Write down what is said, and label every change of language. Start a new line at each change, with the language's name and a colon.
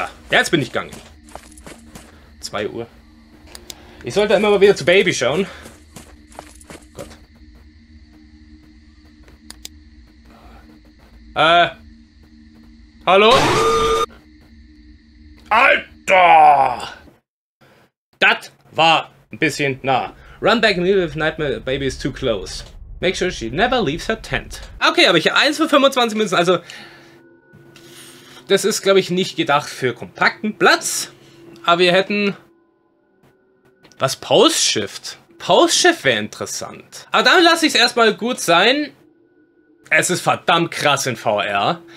German: Jetzt bin ich gegangen. 2 Uhr. Ich sollte immer mal wieder zu Baby schauen. Gott. Hallo? Alter! Das war ein bisschen nah.
English: Run back and leave if nightmare baby is too close. Make sure she never leaves her tent.
German: Okay, aber ich habe 1 für 25 Minuten, also. Das ist, glaube ich, nicht gedacht für kompakten Platz. Aber wir hätten. Was? Pulse Shift? Pulse Shift wäre interessant. Aber dann lasse ich es erstmal gut sein. Es ist verdammt krass in VR.